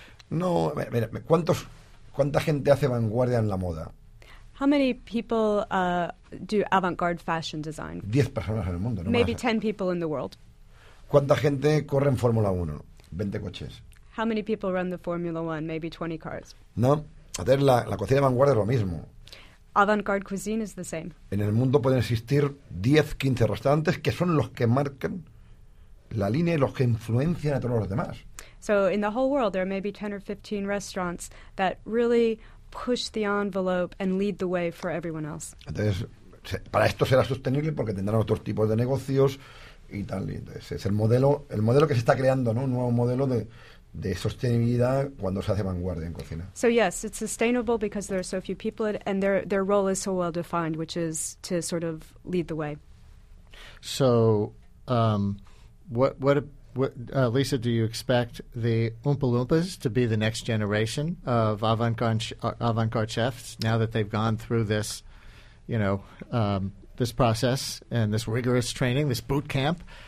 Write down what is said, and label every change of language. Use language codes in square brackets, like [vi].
[es] No, mira, ¿cuánta gente hace vanguardia en la moda? [en] How many people do avant-garde fashion design? [es] 10 personas en el mundo, no [en] Maybe 10 people in the world. [es] ¿Cuánta gente corre en Fórmula 1? 20 coches. [en] How many people run the Formula One? Maybe 20 cars. [es] No, hacer la cocina de vanguardia es lo mismo. [en] Avant-garde cuisine is the same. [es] En el mundo pueden existir 10, 15 restaurantes que son los que marcan la línea y los que influencian a todos los demás. [en] So in the whole world there may be 10 or 15 restaurants that really push the envelope and lead the way for everyone else. [es] Entonces, para esto será sostenible porque tendrán otros tipos de negocios y tal. Entonces, es el modelo que se está creando, ¿no? Un nuevo modelo de sostenibilidad cuando se hace vanguardia en cocina. [en] So yes, it's sustainable because there are so few people and their role is so well defined, which is to sort of lead the way. So, what Lisa, do you expect the Oompa Loompas to be the next generation of avant-garde chefs now that they've gone through this, you know, this process and this rigorous training, this boot camp?